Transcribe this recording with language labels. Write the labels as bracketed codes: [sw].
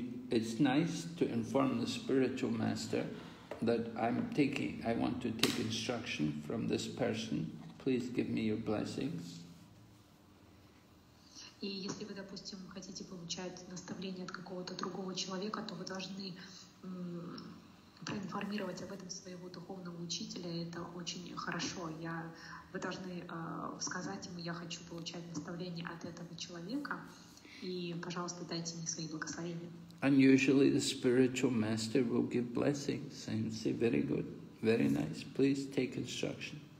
[en] It's nice to inform the spiritual master that I want to take instruction from this person. Please give me your blessings. [ru] И если вы, допустим, хотите получать наставление от какого-то другого человека, то вы должны проинформировать об этом своего духовного учителя. Это очень хорошо. Вы должны сказать ему, я хочу получать наставление от этого человека. И, пожалуйста, дайте мне свои благословения. [en] And usually the spiritual master will give blessings and say, very good, very nice, please take instruction.